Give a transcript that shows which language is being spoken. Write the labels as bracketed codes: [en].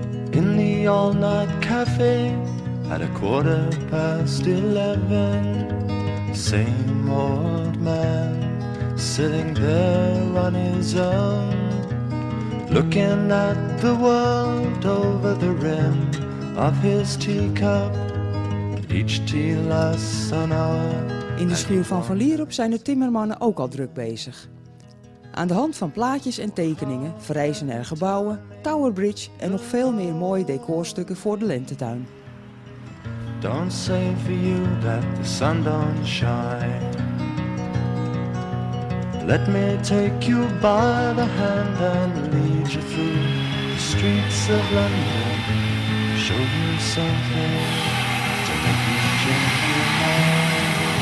[en] In the all-night cafe at 11:15, same old man sitting there on his own, looking at the world over the rim of his teacup. Each tea lasts an hour. [nl] In de schuur van Lierop zijn de timmermannen ook al druk bezig. Aan de hand van plaatjes en tekeningen verrijzen er gebouwen, Tower Bridge en nog veel meer mooie decorstukken voor de lentetuin. [en] Don't say for you that the sun don't shine. Let me take you by the hand and lead you through the streets of London. Show you something to make you change your mind.